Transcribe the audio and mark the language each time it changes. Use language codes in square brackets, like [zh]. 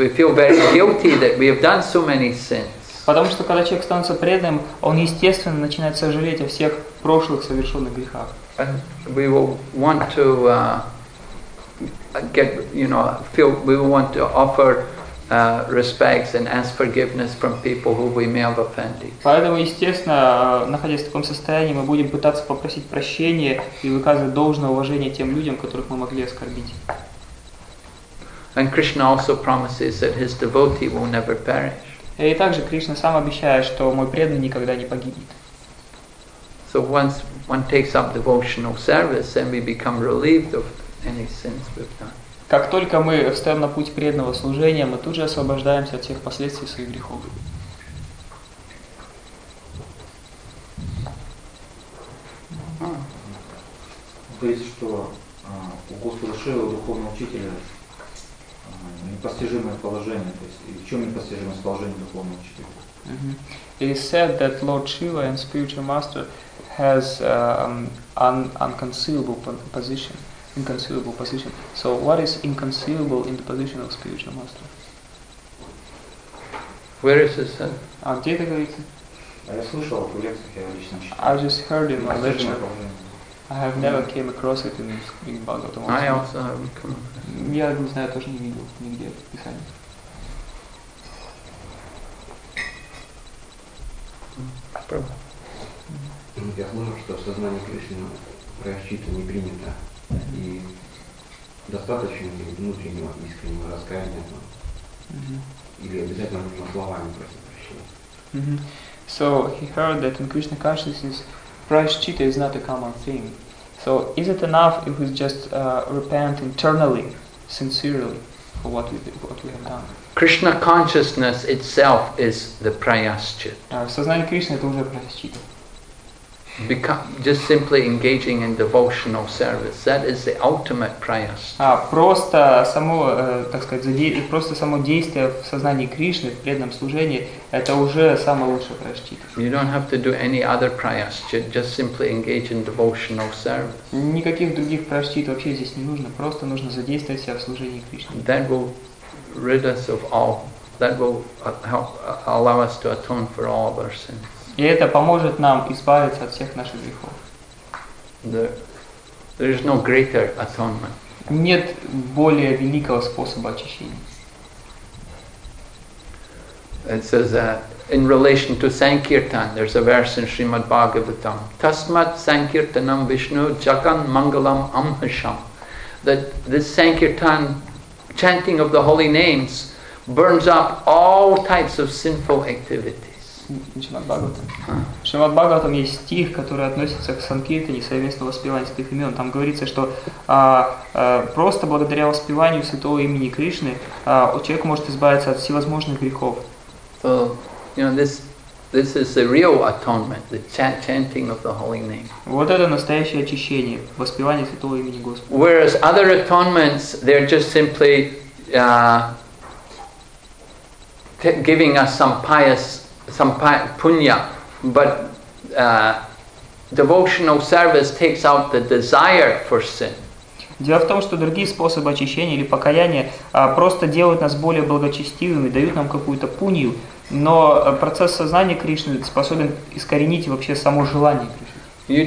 [en] We feel very guilty that we have done so many sins. [ru] Потому что когда человек становится преданным, он естественно начинает сожалеть о всех прошлых совершенных грехах. [en] And we will want to get, you know, feel. We will want to offer respects and ask forgiveness from people who we may have offended. [ru] Поэтому, естественно, находясь в таком состоянии, мы будем пытаться попросить прощения и выказывать должное уважение тем людям, которых мы могли оскорбить. [en] And Krishna also promises that his devotee will never perish. [ru] И также Кришна сам обещает, что мой преданный никогда не погибнет. [en] So once one takes up devotional service, then we become relieved of any sins we've done. [ru] Как только мы встаем на путь преданного служения, мы тут же освобождаемся от всех последствий своих грехов. То есть, что у Господа Шивы, у духовного учителя, непостижимое положение. То есть, и в чем непостижимое положение духовного учителя? [en] It is said that Lord Shiva and spiritual master has unconcealable position. Inconceivable position. So what is inconceivable in the position of spiritual master? Where is this? [ru] А где это говорится? Я слышал в лекциях, я лично читал. [en] I just heard in my lecture. I have never came across it in Bhagavatam. I also haven't come across it. [ru] Я не знаю, тоже не видел нигде в писании. Я думаю, что сознание Кришны просчитано, не принято. И достаточно ли внутреннего искреннего раскаяния там? Или обязательно нужно словами просить прощения? [en] So he heard that in Krishna consciousness prayaschitta is not a common thing. So is it enough if we just repent internally, sincerely, for what we have done? Krishna consciousness itself is the prayaschitta. [ru] Сознание Кришны — это уже прайасчитта. [en] Just simply engaging in devotional service, that is the ultimate prayaschitta. [ru] Просто само, так сказать, просто само действие в сознании Кришны, в преданном служении, это уже самое лучшее прайасчитта. [en] You don't have to do any other prayaschitta, just simply engage in devotional service. [ru] Никаких других прайасчитт вообще здесь не нужно, просто нужно задействовать себя в служении Кришне. [en] That will rid us of all, that will help, allow us to atone for all of our sins. [ru] И это поможет нам избавиться от всех наших грехов. [en] There is no greater atonement. [ru] Нет более великого способа очищения. [en] It says that in relation to Sankirtan, there's a verse in Srimad Bhagavatam. [sa] Tasmat Sankirtanam Vishnu Jagan Mangalam Amhasham. [en] That this Sankirtan chanting of the holy names burns up all types of sinful activities. [ru] Шримад Бхагаватам есть стих, который относится к санкиртане, совместно воспеванию святых имен. Там говорится, что просто благодаря воспеванию святого имени Кришны человек может избавиться от всевозможных грехов. [en] So, you know, this is the real atonement, the chanting of the holy name. [ru] Вот это настоящее очищение, воспевание святого имени Господа. [en] Whereas other atonements, they're just simply giving us some pious punya, but devotional service takes out the desire for sin. [ru] Дело в том, что другие способы очищения или покаяния просто делают нас более благочестивыми, дают нам какую-то пунью, но процесс сознания Кришны способен искоренить вообще само желание Кришны.